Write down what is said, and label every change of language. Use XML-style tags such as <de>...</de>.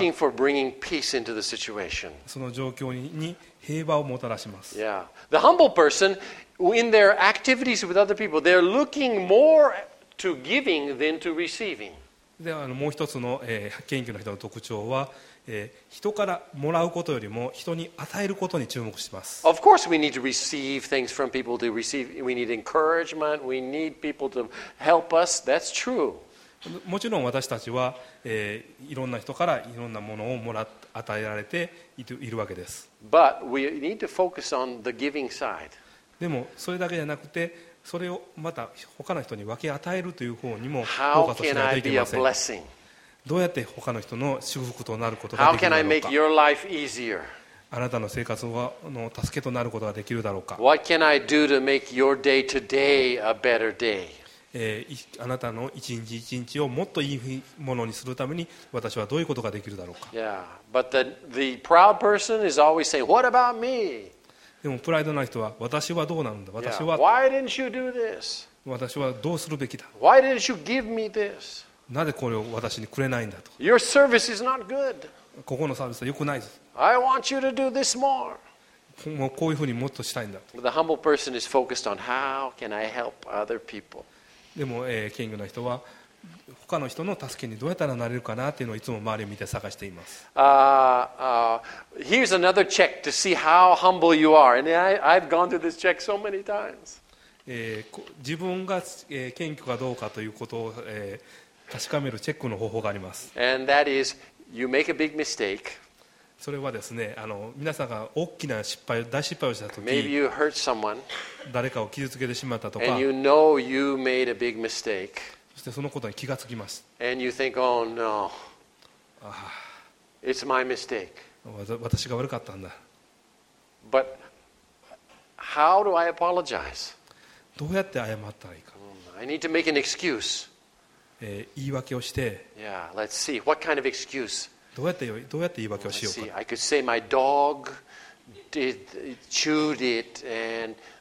<en>They're looking for bringing peace into the situation.</en> <ja>その状況に平和をもたらします。 Yeah.</ja> <en>The humble personin their activities with other people, they're looking more to giving than to receiving.</en> <ja>で、もう一つの、謙虚な人の特徴は、人からもらうことよりも人に与えることに注目しています。</ja> <en>Of course we need to receive things from people to receive. We need encouragement. We need people to help us. That's true.</en> <ja>もちろん私たちは、いろんな人からいろんなものをもら与えられて いるわけです。</ja> <en>But we need to focus on the giving side.</en> <ja>でもそれだけじゃなくてそれをまた他の人に分け与えるという方にもフォーカスしないといけません。どうやって他の人の祝福となることができるのか、あなたの生活の助けとなることができるだろうか、あなたの一日一日をもっといいものにするために私はどういうことができるだろうか。</ja> <en>Yeah, but the proud person is always saying, what about me?</en> <ja>でもプライドな人は私はどうなるんだ、私は、</ja> <en>Why didn't you do this?</en> <ja>私はどうするべきだ、</ja> <en>Why didn't you give me this?</en> <ja>なぜこれを私にくれないんだと、</ja> <en>Your service is not good.</en> <ja>ここのサービスは良くないぞ、</ja> <en>I want you to do this more.</en> <ja>もうこういうふうにもっとしたいんだと。</ja> <en>The humble person is focused on how can I help other people.</en> <ja>でも、謙虚な人は他の人の助けにどうやったらなれるかなというのをいつも周りを見て探しています。</ja> <en>Here's another check to see how humble you are. And I've gone through this check so many times.</en> <ja>自分が謙虚かどうかということを確かめるチェックの方法があります。</ja> <en>And that is, you make a big mistake.</en> <ja>それはですね、皆さんが大きな失敗、大失敗をしたとき、</ja> <en>Maybe you hurt someone.</en> <ja>誰かを傷つけてしまったとか、</ja> <en>And you know you made a big mistake.</en> <ja>そしてそのことに気がつきます。</ja> <en>And you think, oh, no. It's my mistake.</en> <ja>私が悪かったんだ。</ja> <en>But how do I apologize?</en> <ja>どうやって謝ったらいいか。</ja> <en>I need to make an excuse.</en> <ja>言い訳をして。</ja> <en>Yeah, let's see. What kind of excuse?</en> <ja>どうやって言い訳をしようか。</ja> <en>I could say my dog chewed it and...</en>